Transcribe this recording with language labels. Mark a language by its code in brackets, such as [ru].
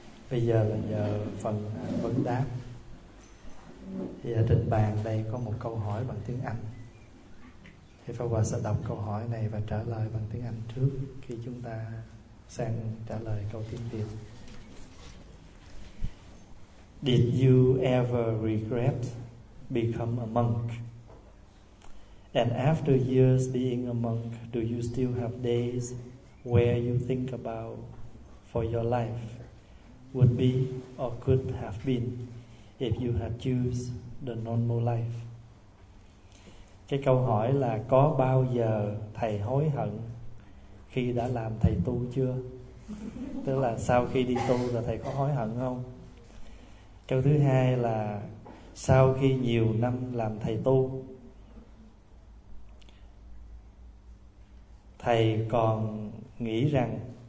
[vi] Bây giờ là giờ phần vấn đáp. Thì ở trên bàn đây có một câu hỏi bằng tiếng Anh. Thì Pháp Hòa sẽ đọc câu hỏi này và trả lời bằng tiếng Anh trước khi chúng ta sang trả lời câu tiếng Việt. [en] Did you ever regret become a monk? And after years being a monk, do you still have days where you think about for your life would be or could have been if you had choose the normal life? [vi] Cái câu hỏi là có bao giờ thầy hối hận khi đã làm thầy tu chưa? Tức là sau khi đi tu là thầy có hối hận không? Câu thứ hai là sau khi nhiều năm làm thầy tu, thầy còn nghĩ rằng